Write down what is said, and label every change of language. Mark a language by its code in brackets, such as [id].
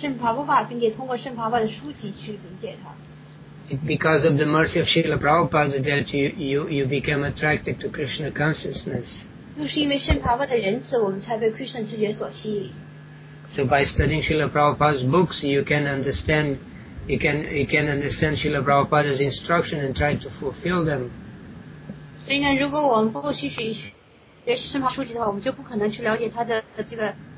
[zh] 首先我们应该是了解圣帕布巴，并且通过圣帕布巴的书籍去理解它。 [en] Because of the mercy of Srila Prabhupada that you became attracted to Krishna consciousness. [zh] 又是因为圣帕布巴的仁慈，我们才被 Krishna 直觉所吸引。 [en] So by studying Srila Prabhupada's books, you can understand Srila Prabhupada's instruction and try to fulfill them. [zh] 所以呢，如果我们不够吸取圣帕布巴书籍的话，我们就不可能去了解它的这个。